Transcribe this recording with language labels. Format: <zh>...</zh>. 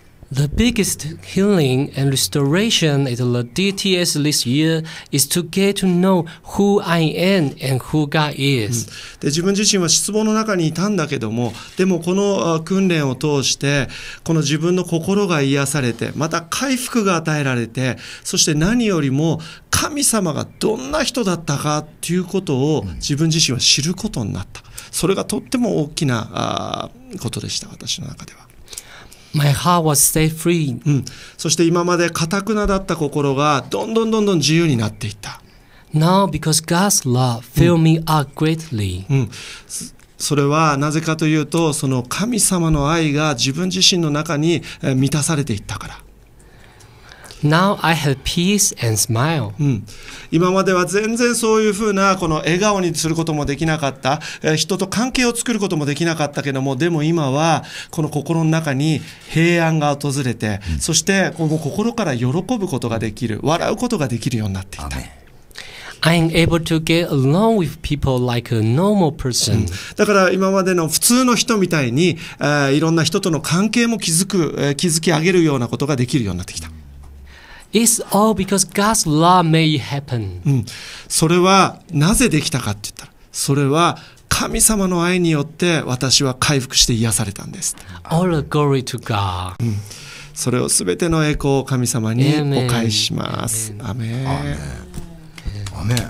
<en>The biggest healing and restoration at the DTS this year is to get to know who I am and who God is、う</en> <ja>ん、で自分自身は失望の中にいたんだけども、でもこの訓練を通してこの自分の心が癒されて、また回復が与えられて、そして何よりも神様がどんな人だったかということを自分自身は知ることになった。それがとっても大きなことでした、私の中では。</ja> <en>My heart was set free、</en> <ja>うん、そして今まで固くなだった心がどんどんどんどん自由になっていった。</ja> <en>Now because God's love filled me up greatly、</en> <ja>うん、それはなぜかというと、その神様の愛が自分自身の中に満たされていったから。</ja> <en>Now I have peace and smile.</en> <ja>今までは全然そういうふうなこの笑顔にすることもできなかった、人と関係を作ることもできなかったけども、でも今はこの心の中に平安が訪れて、そしてこの心から喜ぶことができる、笑うことができるようになっていた。</ja> <en>I'm able to get along with people like a normal person.</en> <ja>だから今までの普通の人みたいに、いろんな人との関係も築き上げるようなことができるようになってきた。</ja> <en>It's all because God's love may happen.</en> <ja>うん、それはなぜできたかって言ったら、それは神様の愛によって私は回復して癒されたんです。</ja> <en>All the glory to God.、</en> <ja>うん、それをすべての栄光を神様にお返しします。アメン。アメン。</ja>